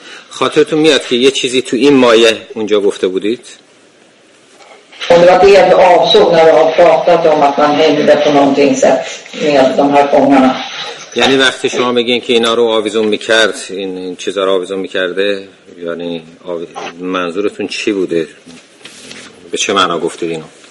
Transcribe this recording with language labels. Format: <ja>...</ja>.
<fa>خاطرتون میاد که یه چیزی تو این مایه اونجا گفته بودید؟</fa> <sv>Om det var det du avsåg när du har pratat om att man hängde på någonting sätt med de här fångarna.</sv> <fa>یعنی وقتی شما میگین که اینا رو آویزون میکرد این چیزا رو آویزون میکرده یعنی منظورتون چی بوده؟ به چه معنا گفتید اینو؟</fa>